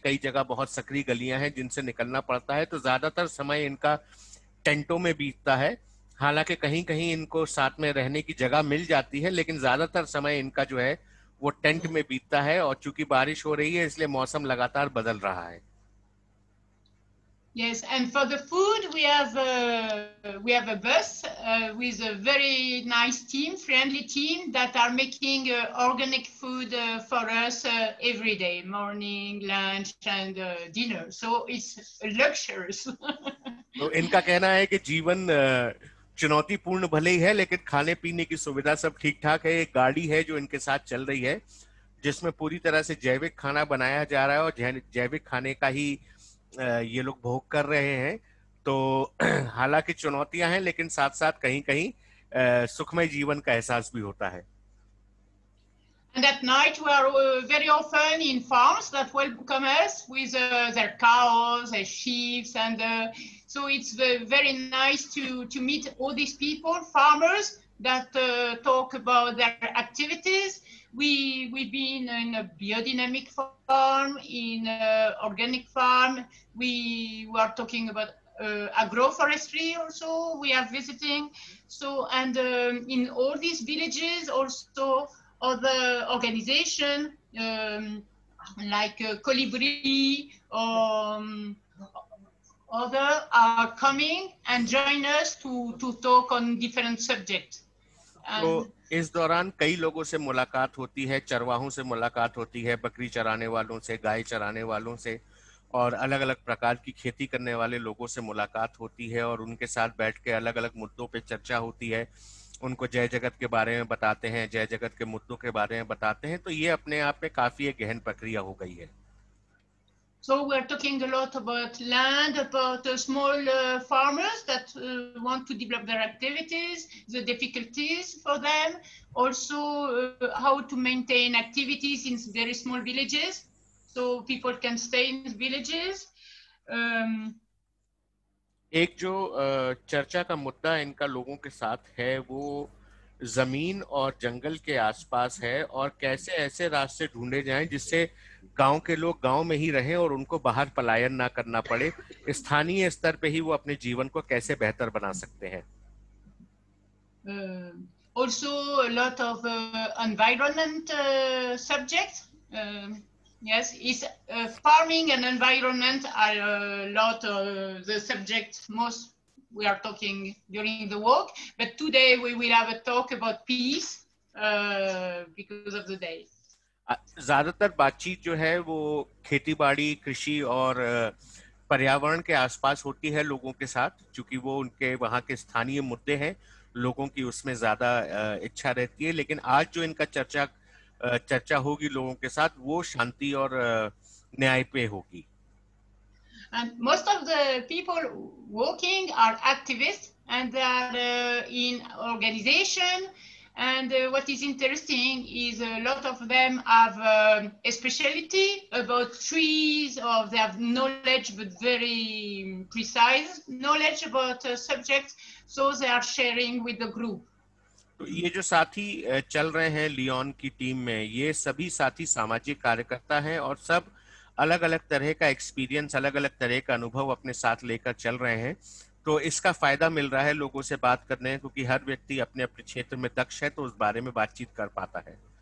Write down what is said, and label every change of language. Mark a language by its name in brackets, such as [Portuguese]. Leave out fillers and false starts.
[Hindi] कई जगह बहुत सकरी गलियां हैं जिनसे निकलना पड़ता है, तो ज्यादातर समय इनका टेंटों में बीतता है. हालांकि कहीं कहीं इनको साथ में रहने की जगह मिल जाती है, लेकिन ज्यादातर समय इनका जो है वो टेंट में बीतता है. और चूंकि बारिश हो रही है इसलिए मौसम लगातार बदल रहा है. [English] Yes, and for the food, we have a bus with a very nice team, friendly team that are making organic food for us every day, morning, lunch, and dinner. So it's luxurious. [Hindi] तो इनका कहना है कि जीवन चुनौतीपूर्ण भले ही है, लेकिन खाने पीने की सुविधा सब ठीक ठाक है. एक गाड़ी है जो इनके साथ चल रही है, जिसमें पूरी तरह से जैविक खाना बनाया जा रहा है और जैविक खाने का ही ये लोग भोग कर रहे हैं. तो हालांकि चुनौतियां हैं, लेकिन साथ साथ कहीं कहीं सुखमय जीवन का एहसास भी होता है. [English] And at night, we are very often in farms that welcome us with their cows, their sheep, and so it's very nice to meet all these people, farmers, that talk about their activities. We've been in a biodynamic farm, in an organic farm. We are talking about agroforestry also, we are visiting. So, and in all these villages also, other organization like Colibri or other are coming and join us to talk on different subjects. [Hindi] तो इस दौरान कई लोगों से मुलाकात होती है, चरवाहों से मुलाकात होती है, बकरी चराने वालों से, गाय चराने वालों से, और अलग अलग प्रकार की खेती करने वाले लोगों से मुलाकात होती है, और उनके साथ बैठ के अलग अलग मुद्दों पे चर्चा होती है. उनको जय जगत के बारे में बताते हैं, जय जगत के मुद्दों के बारे में बताते हैं. तो ये अपने आप में काफी एक गहन प्रक्रिया हो गई है. [English] So we are talking a lot about land, about small farmers that want to develop their activities, the difficulties for them, also how to maintain activities in very small villages, so people can stay in villages. [Hindi] एक जो चर्चा का मुद्दा इनका लोगों के साथ है वो जमीन और जंगल के आसपास है, और कैसे ऐसे रास्ते ढूंढे जाएं जिससे गांव के लोग गांव में ही रहें और उनको बाहर पलायन ना करना पड़े, स्थानीय स्तर पे ही वो अपने जीवन को कैसे बेहतर बना सकते हैं. [English] Also a lot of environment subjects. Yes, is farming and environment are a lot of the subject most we are talking during the walk, but today we will have a talk about peace because of the day. [Hindi] ज्यादातर बातचीत जो है वो खेती बाड़ी, कृषि और पर्यावरण के आसपास होती है लोगों के साथ, क्योंकि वो उनके वहाँ के स्थानीय मुद्दे हैं, लोगों की उसमें ज्यादा इच्छा रहती है. लेकिन आज जो इनका चर्चा होगी लोगों के साथ वो शांति और न्याय पे होगी. [English] And most of the people walking are activists and they are in organization. And what is interesting is a lot of them have a specialty about trees, or they have knowledge, but very precise knowledge about subjects. So they are sharing with the group. [Hindi] तो ये जो साथी चल रहे हैं Leone की team में, ये सभी साथी सामाजिक कार्यकर्ता हैं और सब अलग अलग तरह का एक्सपीरियंस, अलग अलग तरह का अनुभव अपने साथ लेकर चल रहे हैं. तो इसका फायदा मिल रहा है लोगों से बात करने में, क्योंकि हर व्यक्ति अपने अपने क्षेत्र में दक्ष है तो उस बारे में बातचीत कर पाता है.